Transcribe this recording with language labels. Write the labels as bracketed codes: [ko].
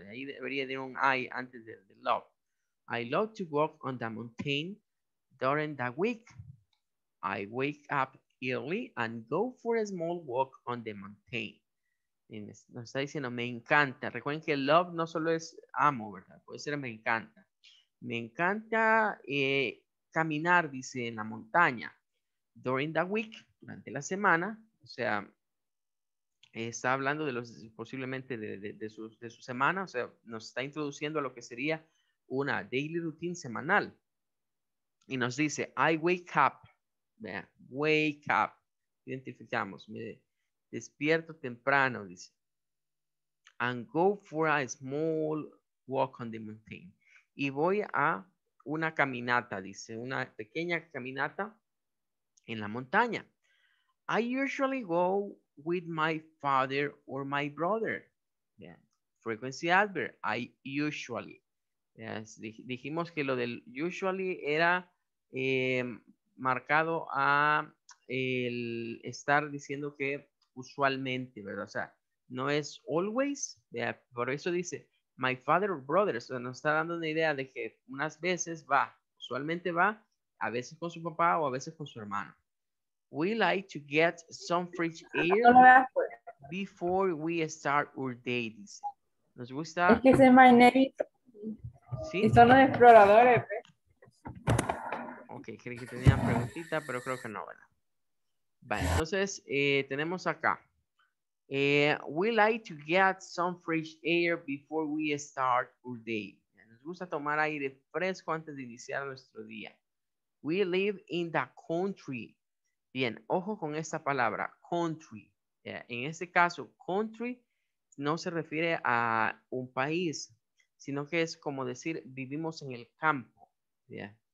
[es] De ahí debería de un I antes de love. [en] I love to walk on the mountain. During the week, I wake up early and go for a small walk on the mountain. [es] Y nos está diciendo, me encanta. Recuerden que love no solo es amo, ¿verdad? Puede ser me encanta. Me encanta caminar, dice, en la montaña. [en] During the week, [es] durante la semana. O sea, está hablando de los, posiblemente de su semana. O sea, nos está introduciendo a lo que sería una daily routine semanal. Y nos dice, [en] I wake up. [es] Vean, wake up. Identificamos. Mire, despierto temprano, dice. [en] And go for a small walk on the mountain. [es] Y voy a una caminata, dice. Una pequeña caminata en la montaña. [en] I usually go with my father or my brother. [es] Vean, [en] frequency adverb. I usually. [es] Vean, dijimos que lo del usually era... marcado a el estar diciendo que usualmente, ¿verdad? O sea, no es always, ¿verdad? Por eso dice, [en] my father or brother, [es] o sea, nos está dando una idea de que unas veces va, usualmente va, a veces con su papá o a veces con su hermano. [en] We like to get some fresh air before we start our day, dice. [es] Nos gusta... Es que ese es [en] my name. [es] ¿Sí? Y son los exploradores, ¿verdad? Ok, creí que tenían preguntita, pero creo que no, ¿verdad? Vale, entonces tenemos acá. [en] We like to get some fresh air before we start our day. [es] Nos gusta tomar aire fresco antes de iniciar nuestro día. [en] We live in the country. [es] Bien, ojo con esta palabra, [en] country. [es] En este caso, country no se refiere a un país, sino que es como decir, vivimos en el campo. Bien.